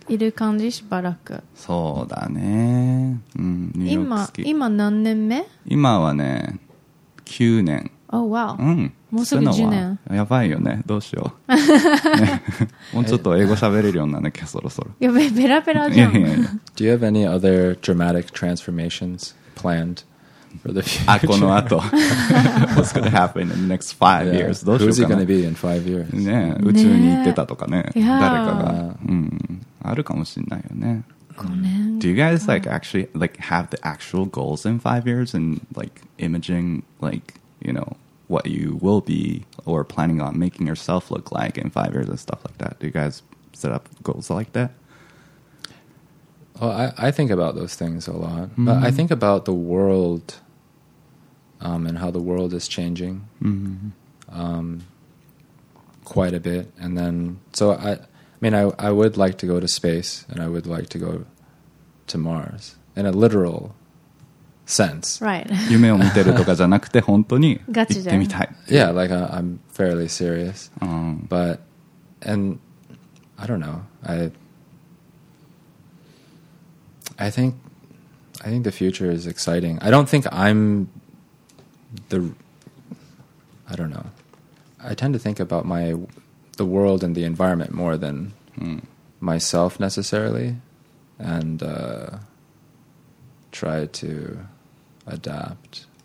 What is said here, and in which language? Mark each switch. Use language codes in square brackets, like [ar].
[ja] いる感じしばらく。そうだね。今何年目? 今はね、9 年。Oh wow. もうすぐ 10 年。やばいよね。どうしよう。もうちょっと英語喋れるようになるけど、そろそろ。いや、ベラベラじゃん。 [en] Do you have any other dramatic transformations planned for the future? What's going to happen in the next 5 years? Who's he going to be in 5 years? [ja] ね、宇宙に行ってたとかね。誰かが。 あるかもしれないよね。 [en] Do you guys like actually like have the actual goals in 5 years and like imaging like, you know, what you will be or planning on making yourself look like in 5 years and stuff like that? Do you guys set up goals like that? Well, I think about those things a lot, mm-hmm. but I think about the world and how the world is changing mm-hmm. Quite a bit. And then, so I mean, I would like to go to space and I would like to go to Mars in a literal sense. Right. [ja] 夢を見てるとかじゃなくて本当に行ってみたい。 [en] Yeah, like I'm fairly serious. But, and I don't know, I think the future is exciting. I don't think I'm the, I don't know. I tend to think about the world and the environment more than myself necessarily, and try to adapt.